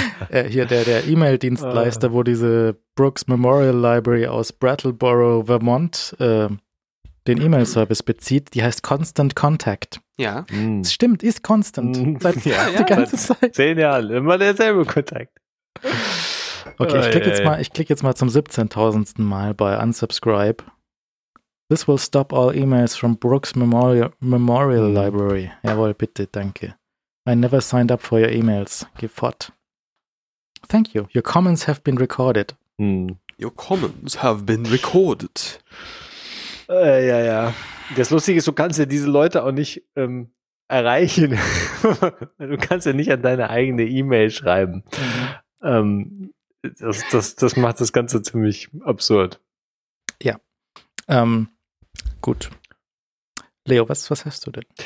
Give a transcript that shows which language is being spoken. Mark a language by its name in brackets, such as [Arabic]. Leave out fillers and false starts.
[German] Hier der E-Mail-Dienstleister, wo diese Brooks Memorial Library aus Brattleboro, Vermont den E-Mail-Service bezieht, die heißt Constant Contact. Ja. Es stimmt, ist constant. Seit 10 Jahren, immer derselbe Kontakt. Okay, ich klicke jetzt mal zum 17.000. Mal bei Unsubscribe. [English] This will stop all emails from Brooks Memorial Library. Jawohl, bitte, danke. I never signed up for your emails. Give fort. Thank you. Your comments have been recorded. Your comments have been recorded. [German] Ja. Das Lustige ist, du kannst ja diese Leute auch nicht erreichen. Du kannst ja nicht an deine eigene E-Mail schreiben. Das macht das Ganze ziemlich absurd. Ja. Gut. Leo, was hast du denn?